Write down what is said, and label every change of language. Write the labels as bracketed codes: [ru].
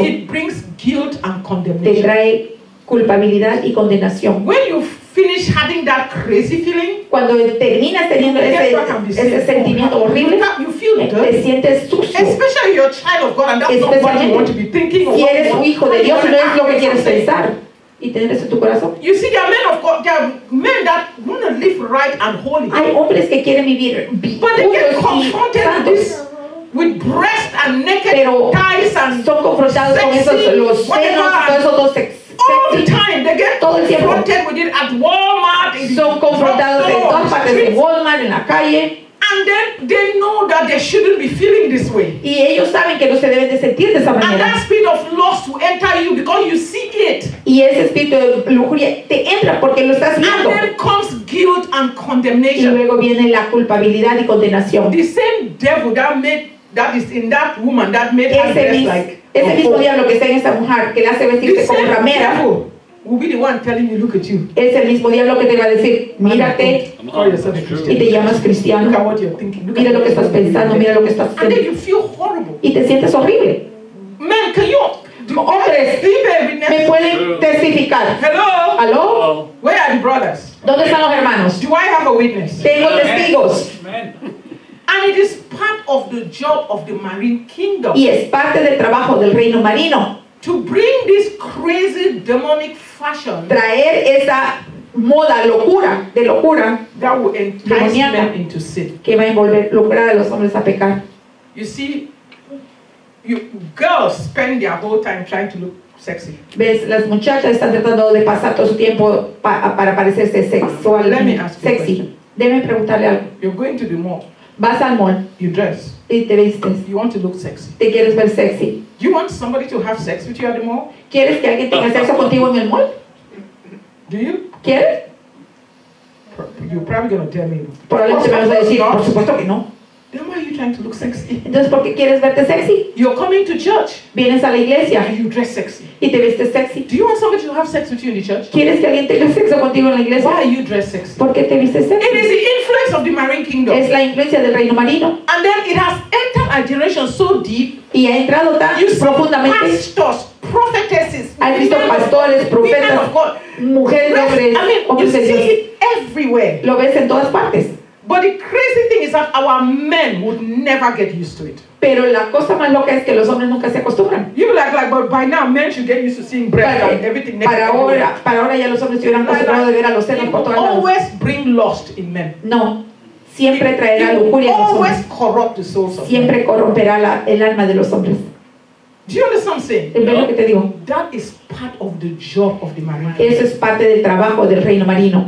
[en] it brings guilt and condemnation, [es] te trae culpabilidad y condenación. [en] When you finish having that crazy feeling, [es] cuando terminas teniendo ese sentimiento horrible, [en] you feel [es] te sientes sucio. [en] Especially if you're a child of God and that's not what you want to be thinking. [es] Si eres un hijo de Dios, no es lo que quieres pensar y tener eso en tu corazón. [en] You see, there are men of God, there are men that want to live right and holy. [es] Hay hombres que quieren vivir, [en] but they get confronted with this. With breast and naked [es] pero [en] thighs and [es] son confrontados [en] sexy, [es] con esos los senos, todos esos dos [en] all the time, they get confronted with it at Walmart. [es] Son confrontados en todas partes de Walmart, en la calle. [en] And then they know that they shouldn't be feeling this way. [es] Y ellos saben que no se deben de sentir de esa manera. [en] And that spirit of lust will enter you because you seek it. [es] Y ese espíritu de lujuria te entra porque lo estás viendo. [en] And then comes guilt and condemnation. [es] Y luego viene la culpabilidad y condenación. [en] The same devil that is in that woman that made her dress like. [es] Ese mismo diablo que está en esta mujer que le hace vestirse como ramera. [en] Will be the one telling you, look at you. [es] Es el mismo diablo que te va a decir, mírate y te llamas cristiano. [en] Look at what you're thinking. Look [es] mira lo que estás pensando, mira lo que estás haciendo. Y te sientes horrible. [en] Man, can you [es] Hombres, dime, me pueden testificar. [en] Hello. Hello. Where are the brothers? [es] ¿Dónde están los hermanos? [en] Do I have a witness? [es] Tengo testigos. [en] And it is part of the job of the marine kingdom. [es] Y es parte del trabajo del reino marino. [en] To bring this crazy demonic fashion. [es] Traer esa moda locura, de locura. [en] That will entice men into sin. [es] Que va a envolver, lograr a los hombres a pecar. [en] You see, you girls spend their whole time trying to look sexy. [es] Ves, las muchachas están tratando de pasar todo su tiempo para parecerse sexual. [en] Let me ask you [es] sexy. Déjame preguntarle algo. [en] You're going to the mall. [es] Vas al mall. [en] You dress. [es] Y te vistes. [en] You want to look sexy. [es] Te quieres ver sexy. [en] You want somebody to have sex with you at the mall? [es] ¿Quieres que alguien tenga sexo contigo en el mall? [en] Do you? [es] ¿Quieres? [en] You're probably going to tell me. [es] Probablemente me vas a decir, por supuesto que no. [en] Then why are you trying to look sexy? [es] Entonces, ¿por qué quieres verte sexy? [en] You're coming to church. [es] Vienes a la iglesia. [en] And you dress sexy. [es] Y te vistes sexy. [en] Do you want somebody to have sex with you in the church? [es] ¿Quieres que alguien tenga sexo contigo en la iglesia? [en] Why are you dressed sexy? [es] ¿Por qué te vistes sexy? [en] It is the influence of the marine kingdom. [es] Es la influencia del reino marino. [en] And then it has entered a generation so deep. [es] Y ha entrado tan profundamente. [en] Pastors, prophetesses, [es] ha visto pastores, profetas, mujeres, [en] I mean, [es] hombres de Dios. [en] You see it everywhere. [es] Lo ves en todas partes. [en] But the crazy thing is that our men would never get used to it. [es] Pero la cosa más loca es que los hombres nunca se acostumbran. [en] You be like, but by now men should get used to seeing breasts and everything next. [es] Para ahora ya los hombres se hubieran acostumbrado de ver a los senos por todas partes. [en] Always bring lust in men. [es] No, siempre traerá lujuria en los hombres. [en] Always corrupt the souls. [es] Siempre corromperá el alma de los hombres. [en] Do you understand what I'm saying? [es] ¿Ves lo que te digo? [en] That is part of the job of the marine. [es] Eso es parte del trabajo del reino marino.